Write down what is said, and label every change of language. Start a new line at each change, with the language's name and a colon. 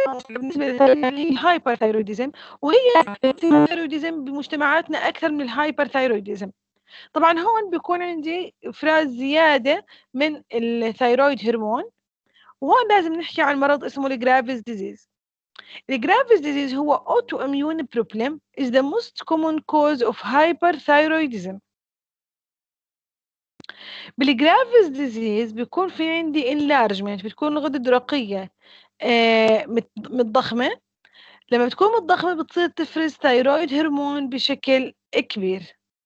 Arabic: بالنسبة للهايبرثيرويديزم، وهي الثيرويديزم بمجتمعاتنا أكثر من الهايبرثيرويديزم. طبعا هون بيكون عندي إفراز زيادة من الثيرويد هرمون، وهون لازم نحكي عن مرض اسمه الجرافيز ديزيز.
English: The Graves disease هو autoimmune problem is the most common cause of hyperthyroidism.
Arabic: بالGraves disease بيكون في عندي enlargement، بتكون الغدة الدرقية متضخمة. لما بتكون متضخمة بتصير تفرز thyroid hormone بشكل كبير.